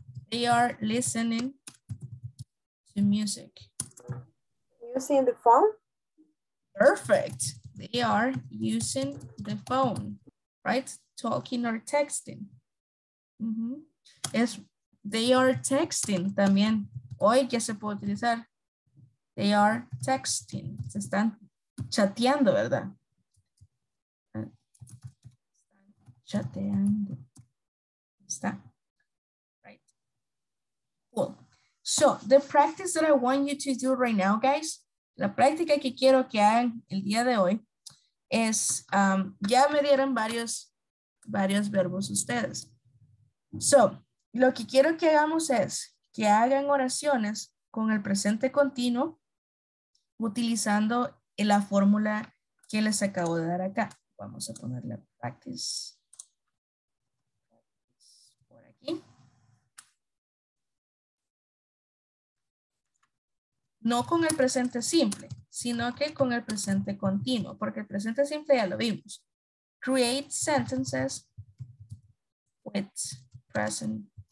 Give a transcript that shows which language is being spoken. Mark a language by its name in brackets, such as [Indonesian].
[English] They are listening to music. Using the phone? Perfect. They are using the phone, right? Talking or texting. Mm-hmm. They are texting [Spanish] también. Hoy ya se puede utilizar. [English] They are texting. [Spanish] Se están chateando, ¿verdad? Están chateando. Está. [English] Right. Cool. So, the practice that I want you to do right now, guys. [Spanish] La práctica que quiero que hagan el día de hoy. Ya me dieron varios verbos ustedes. So, lo que quiero que hagamos es que hagan oraciones con el presente continuo utilizando la fórmula que les acabo de dar acá. Vamos a ponerle practice por aquí. No con el presente simple, sino que con el presente continuo, porque el presente simple ya lo vimos. [English] Create sentences with present.